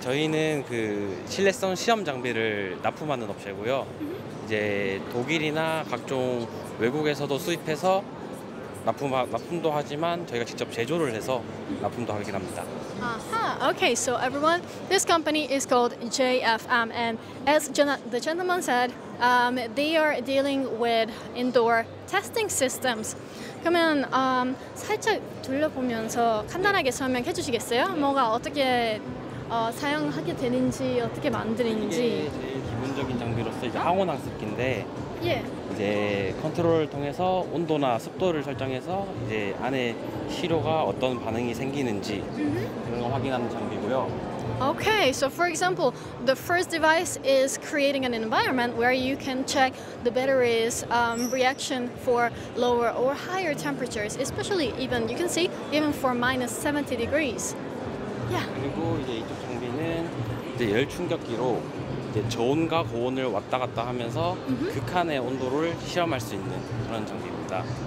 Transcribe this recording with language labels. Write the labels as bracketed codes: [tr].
[ko] 저희는 그 신뢰성 시험 장비를 납품하는 업체고요. 이제 독일이나 각종 외국에서도 수입해서 납품도 하지만 저희가 직접 제조를 해서 납품도 하긴 합니다. [en] Okay, so everyone, this company is called JFM, and as the gentleman said, they are dealing with indoor testing systems. [ko] 그러면 살짝 둘러보면서 간단하게 설명해 주시겠어요? 뭐가 어떻게 사용하게 되는지, 어떻게 만드는지. 이게 제일 기본적인 장비로서 이제 항온 학습기인데, 예. 이제 컨트롤을 통해서 온도나 습도를 설정해서 이제 안에 시료가 어떤 반응이 생기는지 그런 걸 확인하는 장비고요. [en] Okay, so for example, the first device is creating an environment where you can check the battery's reaction for lower or higher temperatures, especially even you can see even for minus 70 degrees. Yeah. [ko] 그리고 이제 이쪽 장비는 이제 열 충격기로 이제 저온과 고온을 왔다 갔다 하면서 극한의 온도를 실험할 수 있는 그런 장비입니다.